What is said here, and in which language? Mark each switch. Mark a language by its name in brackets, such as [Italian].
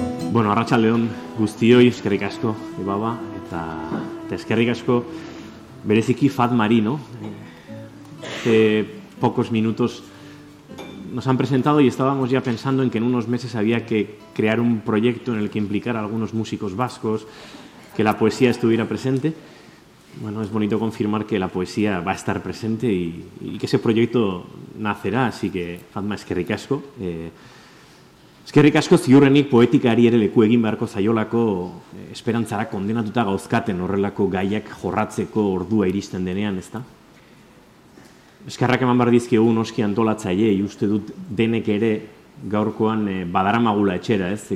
[Basque] Bueno, arratsaldeon guztioi, eskerrik asko, Ibaba, eta eskerrik asko bereziki Fatmari, [Spanish] ¿no? Hace pocos minutos nos han presentado y estábamos ya pensando en que en unos meses había que crear un proyecto en el que implicar a algunos músicos vascos, que la poesía estuviera presente. Bueno, es bonito confirmar que la poesía va a estar presente y que ese proyecto nacerá, así que Fatma, [Basque] eskerrik asko. Eskerrik asko ziurrenik poetikari ere leku egin beharko zaiolako esperantzara kondenatuta gauzkaten horrelako gaiak jorratzeko ordua iristen denean, ez da? Eskerrak eman behar dizkiegu noski antolatzaileei, uste dut denek ere gaurkoan badaramagula etxera, ez?